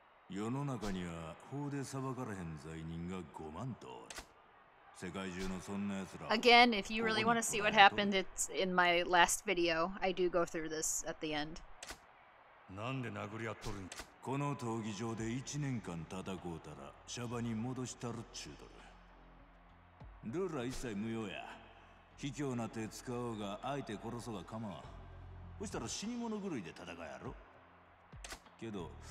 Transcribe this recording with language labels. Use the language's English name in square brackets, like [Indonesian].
[Japanese] 世の中には法で裁かれへん罪人が5万と。世界中のそんな奴ら。 [English] Again, if you really want to see what happened, it's in my last video. I do go through this at the end. [Japanese] なんで殴り合っとるん？この闘技場で1年間叩こうたら、シャバに戻したるっちゅうとる。ルールは一切無用や。卑怯な手使おうが、あえて殺そうが構わん。そしたら死に物狂いで戦うやろ。けど、